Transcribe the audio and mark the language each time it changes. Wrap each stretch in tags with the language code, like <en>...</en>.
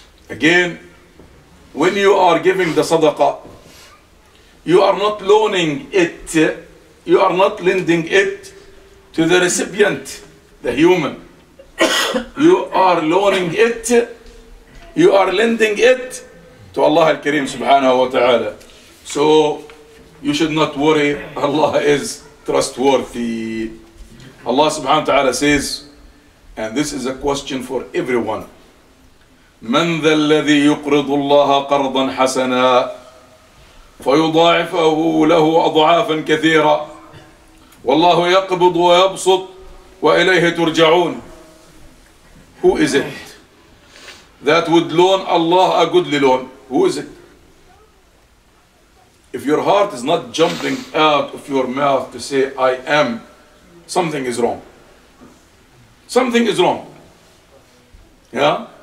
<en>Again, when you are giving the sadaqah, you are not loaning it, you are not lending it to the recipient, the human. You are loaning it, you are lending it to Allah al-Kareem subhanahu wa ta'ala. So, you should not worry, Allah is trustworthy. Allah subhanahu wa ta'ala says, and this is a question for everyone,</en> <ar>من ذا الذي يقرض الله قرضا حسنا فيضاعفه له أضعافا كثيرة والله يقبض ويبسط وإليه ترجعون.</ar> <en>Who is it that would loan Allah a goodly loan? Who is it? If your heart is not jumping out of your mouth to say I am, something is wrong. Something is wrong. Yeah?</en>